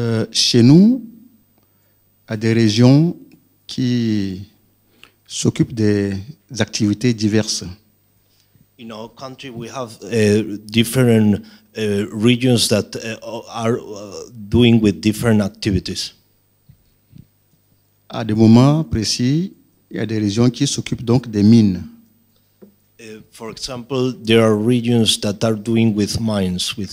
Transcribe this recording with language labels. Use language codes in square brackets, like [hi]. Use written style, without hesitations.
[fr] Chez nous, à des régions qui s'occupe des activités diverses. [en] In our country, we have different regions that are doing with different activities. [fr] À des moments précis, il y a des régions qui s'occupent donc des mines. [en] For example, there are regions that are doing with mines.